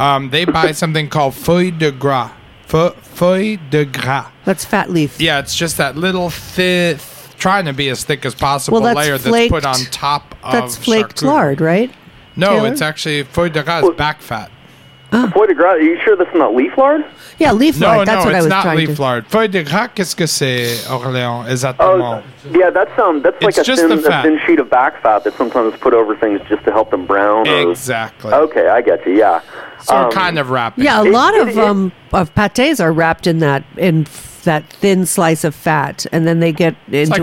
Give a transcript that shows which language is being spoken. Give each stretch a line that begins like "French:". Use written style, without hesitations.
English: They buy something called feuille de gras. Feuille de gras. That's fat leaf. Yeah, it's just that little thin, trying to be as thick as possible, well, that's layer flaked, that's put on top of that's flaked charcuterie. Lard, right? No, Taylor? It's actually feuille de gras, back fat. Feuille de gras, are you sure that's not leaf lard? Yeah, leaf lard, that's what I was trying to... No, it's not leaf lard.
French: Feuille de gras, qu'est-ce que c'est, Orléans, exactement?
English: Oh, yeah, that's like a thin sheet of back fat that sometimes put over things just to help them brown. Exactly. Okay, I get you, yeah. So kind of wrapping. Yeah, a lot of pâtés are wrapped in that thin slice of fat, and then they get into